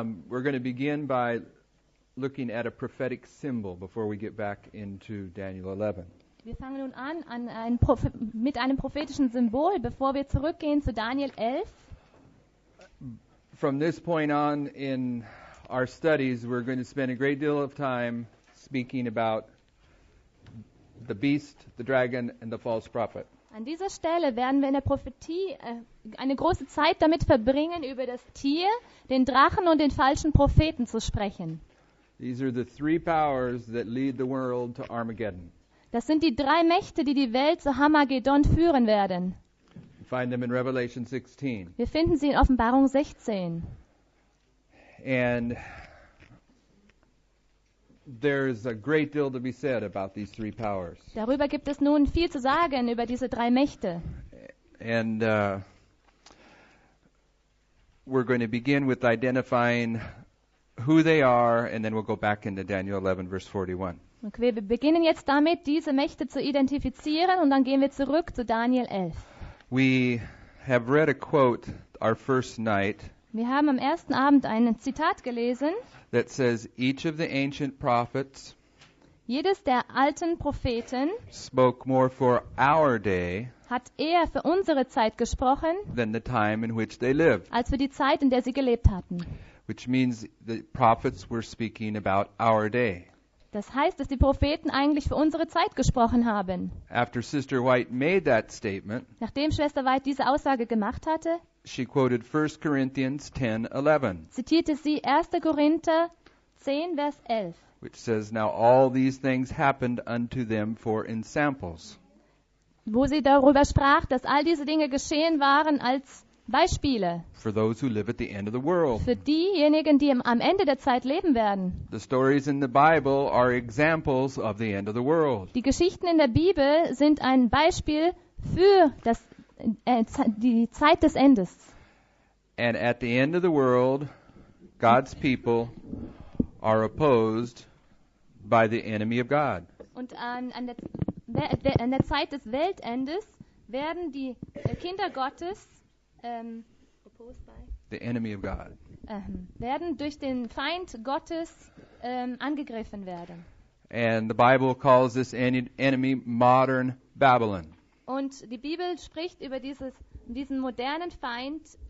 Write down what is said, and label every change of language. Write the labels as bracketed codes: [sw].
[en] We're going to begin by looking at a prophetic symbol before we get back into Daniel 11. [de] Wir fangen nun mit einem prophetischen Symbol, bevor wir zurückgehen zu Daniel 11. [en] From this point on in our studies, we're going to spend a great deal of time speaking about the beast, the dragon, and the false prophet. [de] An dieser Stelle werden wir in der Prophetie eine große Zeit damit verbringen, über das Tier, den Drachen und den falschen Propheten zu sprechen. [en] These are the three powers that lead the world to Armageddon. [de] Das sind die drei Mächte, die die Welt zu Armageddon führen werden. [en] Find them in Revelation 16. [de] Wir finden sie in Offenbarung 16. [en] And there's a great deal to be said about these three powers. [de] Darüber gibt es nun viel zu sagen über diese drei Mächte. [en] And we're going to begin with identifying who they are, and then we'll go back into Daniel 11, verse 41. [de] Okay, wir beginnen jetzt damit, diese Mächte zu identifizieren, und dann gehen wir zurück zu Daniel 11. [en] We have read a quote our first night. [de] Wir haben am ersten Abend ein Zitat gelesen. [en] That says each of the ancient prophets. [de] Jedes der alten Propheten. [en] Spoke more for our day. [de] Hat eher für unsere Zeit gesprochen. [en] Than the time in which they lived. [de] Als für die Zeit, in der sie gelebt hatten. [en] Which means the prophets were speaking about our day. [de] Das heißt, dass die Propheten eigentlich für unsere Zeit gesprochen haben. [en] After Sister White made that statement. [de] Nachdem Schwester White diese Aussage gemacht hatte. [en] She quoted 1 Corinthians 10:11. [de] Zitierte sie 1. Korinther 10, Vers 11. [en] Which says, now all these things happened unto them for in samples. [de] Wo sie darüber sprach, dass all diese Dinge geschehen waren als Beispiele. [en] For those who live at the end of the world. [de] Für diejenigen, die am Ende der Zeit leben werden. [en] The stories in the Bible are examples of the end of the world. [de] Die Geschichten in der Bibel sind ein Beispiel für das die Zeit des Endes. [en] And at the end of the world, God's people are opposed by the enemy of God. [de] Und an der Zeit des Weltendes werden die Kinder Gottes [en] opposed by the enemy of God. [de] Werden durch den Feind Gottes angegriffen werden. [en] And the Bible calls this enemy modern Babylon. [de] Und die Bibel spricht über diesen modernen Feind,